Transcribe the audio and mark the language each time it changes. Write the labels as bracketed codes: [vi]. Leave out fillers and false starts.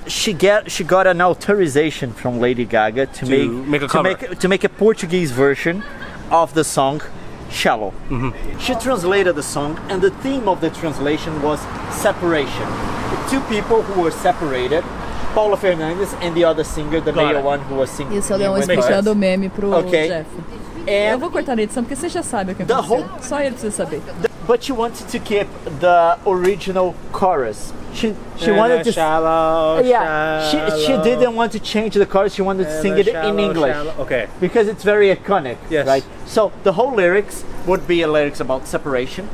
[en] She got an authorization from Lady Gaga to make a Portuguese version of the song Shallow. Mm-hmm. She translated the song and the theme of the translation was separation. The two people who were separated, Paula Fernandes and the other singer, the male one who was singing. [pt] Isso, Leon, especial do meme pro [en] okay. [pt] Jeff. Eu vou cortar na edição porque você já sabe o que aconteceu. Só ele precisa saber. [en] But she wanted to keep the original chorus. She wanted to She didn't want to change the chorus. She wanted to sing it in English. Shallow. Okay. Because it's very iconic, yes. Right? So the whole lyrics would be a lyrics about separation.